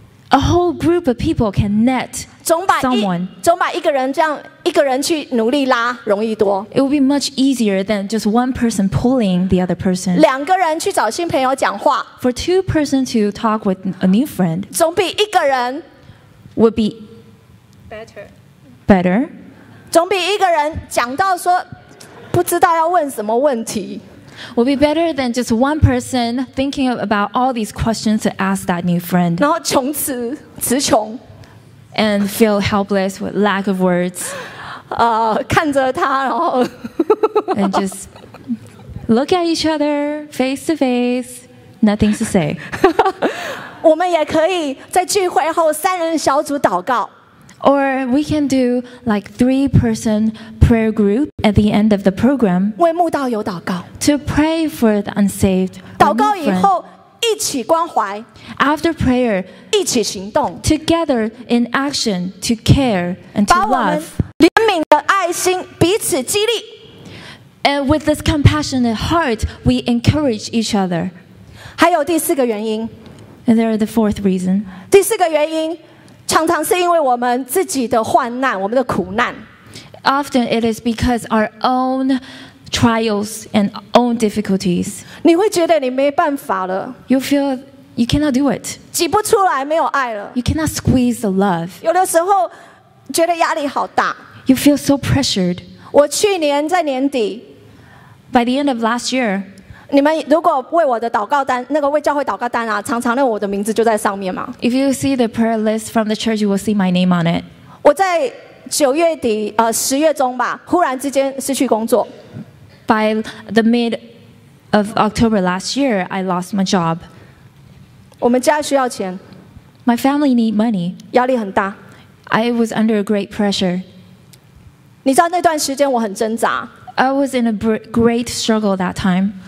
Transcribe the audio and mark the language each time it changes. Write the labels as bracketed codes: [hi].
[en] A whole group of people can net someone. [zh] 总把一个人这样一个人去努力拉容易多。 [en] It would be much easier than just one person pulling the other person. [zh] 两个人去找新朋友讲话。 [en] For two persons to talk with a new friend. [zh] 总比一个人 [en] would be better. Better. [zh] 总比一个人讲到说不知道要问什么问题。 [en] Will be better than just one person thinking about all these questions to ask that new friend. [zh] 然后穷词词穷 [en] and feel helpless with lack of words. [zh] 看着他，然后 [en] and just look at each other face to face, nothing to say. [zh] 我们也可以在聚会后三人小组祷告 [en] or we can do like three-person prayer group at the end of the program. [zh] 为慕道友祷告。 [en] To pray for the unsaved. [zh] 祷告以后一起关怀。 [en] After prayer, [zh] 一起行动。 [en] Together in action to care and to love. [zh] 把我们怜悯的爱心彼此激励。 [en] And with this compassionate heart, we encourage each other. [zh] 还有第四个原因。 [en] And there are the fourth reason. [zh] 第四个原因常常是因为我们自己的患难，我们的苦难。 [en] Often it is because our own trials and own difficulties. [zh] 你会觉得你没办法了。 [en] You feel you cannot do it. [zh] 挤不出来，没有爱了。 [en] You cannot squeeze the love. [zh] 有的时候觉得压力好大。 [en] You feel so pressured. [zh] 我去年在年底 [en] ，by the end of last year， [zh] 你们如果为我的祷告单，那个为教会祷告单啊，常常那我的名字就在上面嘛。 [en] If you see the prayer list from the church, you will see my name on it. [zh] 我在九月底，十月中吧，忽然之间失去工作。 [en] By the mid of October last year, I lost my job. [zh] 我们家需要钱。 [en] My family need money. [zh] 压力很大。 [en] I was under great pressure. [zh] 你知道那段时间我很挣扎。 [en] I was in a great struggle that time.